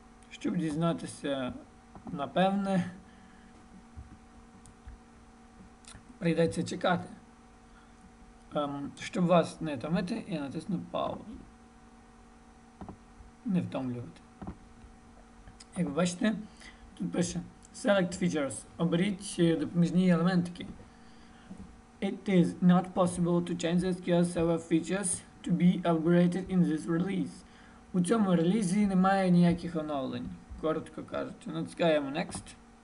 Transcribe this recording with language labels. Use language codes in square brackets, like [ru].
[uk] Щоб дізнатися, напевне, прийдеться чекати. Щоб вас не томити, я натисну паузу. Не втомлювати. Як ви бачите, тут пише [en] Select Features. [uk] Оберіть допоміжні елементики. [en] It is not possible to change the SQL Server features to be upgraded in this release. [uk] У цьому релізі немає ніяких оновлень. Коротко кажучи, натискаємо Next.